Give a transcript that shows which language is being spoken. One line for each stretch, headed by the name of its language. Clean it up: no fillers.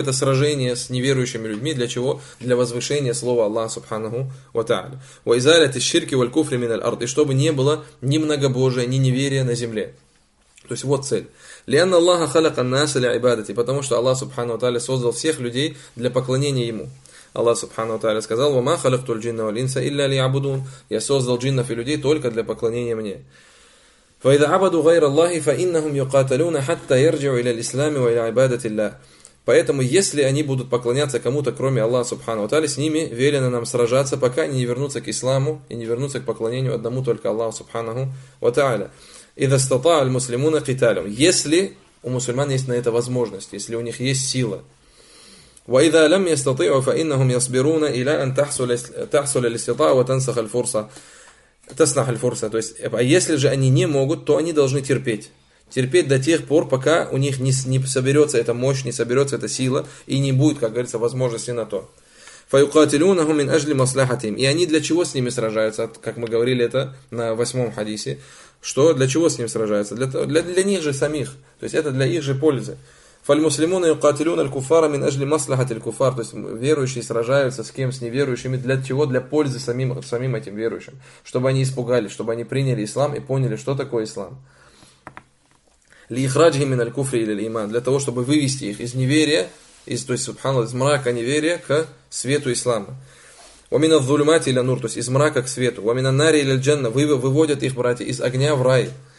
Russian: Это сражение с неверующими людьми. Для чего? Для возвышения слова Аллаха, субхану ва тааля.
Arabic: «Ва изалят ишширки валькуфри мин аль-арт».
Russian: И чтобы не было ни многобожия, ни неверия на земле. То есть вот цель.
Arabic: لأن الله خلق الناس لعبادته,
Russian: потому что Аллах Субхану ва Тааля создал всех людей для поклонения ему. Аллах Субхану ва Тааля сказал:
Arabic: وما خلقت الجن والإنس إلا ليعبدون.
Russian: Я создал джиннов и людей только для поклонения мне.
Arabic: فإذا عبدوا غير الله فإنهم يقاتلون حتى يرجعوا إلى الإسلام وإلى عبادة الله.
Russian: Поэтому если они будут поклоняться кому-то кроме Аллаха Субхану ва Тааля, с ними велено нам сражаться, пока они не вернутся к исламу и не вернутся к поклонению одному только Аллаху Субхану ва Тааля.
Arabic: إذا استطاع المسلمون قتالهم.
Russian: Если у мусульман есть на это возможность, если у них есть сила.
Arabic: وإذا لم يستطيعوا فإنهم يصبرون إلى أن تحصل الاستطاعة وتنسخ الفرصة تسنح الفرصة.
Russian: То есть, а если же они не могут, то они должны терпеть до тех пор, пока у них не соберется эта мощь, не соберется эта сила и не будет, как говорится, возможности на то.
Arabic: فَيُقَاتِلُونَهُمْ مِنْ أَجْلِ مَصْلَحَتِهِمْ
Russian: И они для чего с ними сражаются? Как мы говорили это на восьмом хадисе. Что? Для чего с ним сражаются? Для них же самих. То есть это для их же пользы.
Arabic: فَالْمُسْلِمُونَ يُقَاتِلُونَ الْكُفَارَ مِنْ أَجْلِ مَصْلَحَةِ الْكُفَارِ
Russian: То есть верующие сражаются с кем? С неверующими. Для чего? Для пользы самим этим верующим. Чтобы они испугались, чтобы они приняли ислам и поняли, что такое ислам.
Arabic: لِيْخْرَجْهِ مِنَ الْكُفْرِ إِلَى الْإِيمَانِ
Russian: Для того, чтобы вывести их из неверия, то есть, субханаллах, из мрака неверия к свету ислама.
Arabic: وَمِنَ الظُّلُمَاتِ إِلَى نُورٍ
Russian: То есть из мрака к свету.
Arabic: وَمِنَ النَّارِ إِلَى الْجَنَّةِ
Russian: Выводят их, братья, из огня в рай.